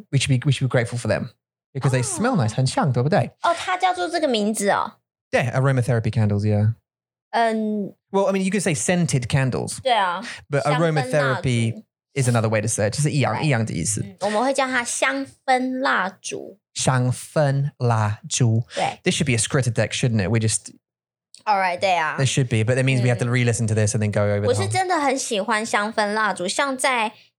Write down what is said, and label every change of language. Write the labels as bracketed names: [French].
[English] We should be grateful for them because they smell nice, [Chinese] 很香，对不对？哦，它叫做这个名字哦。 [English] Yeah, aromatherapy candles, yeah. Well, I mean, you could say scented candles. [Chinese] 对啊, [English] but aromatherapy is another way to say it. [Chinese] 就是一样的意思。我们会叫它香氛蜡烛。香氛蜡烛。 [English] This should be a scripted deck, shouldn't it? We just... All right, yeah. There should be, but that means we have to re-listen to this and then go over [Chinese] 我是真的很喜欢香氛蜡烛,像在...